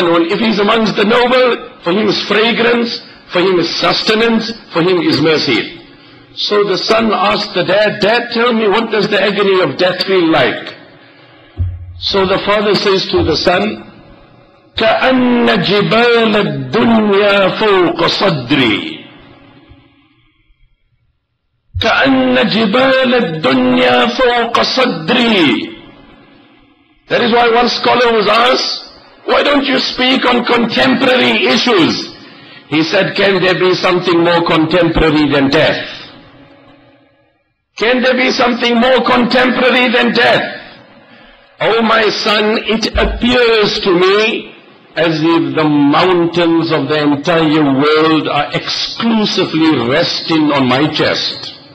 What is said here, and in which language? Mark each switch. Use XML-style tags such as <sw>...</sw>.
<en>If he's amongst the noble, for him is fragrance, for him is sustenance, for him is mercy. So the son asked the dad, "Dad, tell me, what does the agony of death feel like?" So the father says to the son,</en> <ar>كَأَنَّ جِبَالَ الدُّنْيَا فَوْقَ صَدْرِي كَأَنَّ جِبَالَ الدُّنْيَا فَوْقَ صَدْرِي.</ar> <en>That is why one scholar was asked, "Why don't you speak on contemporary issues?" He said, "Can there be something more contemporary than death? Can there be something more contemporary than death? Oh my son, it appears to me as if the mountains of the entire world are exclusively resting on my chest.</en>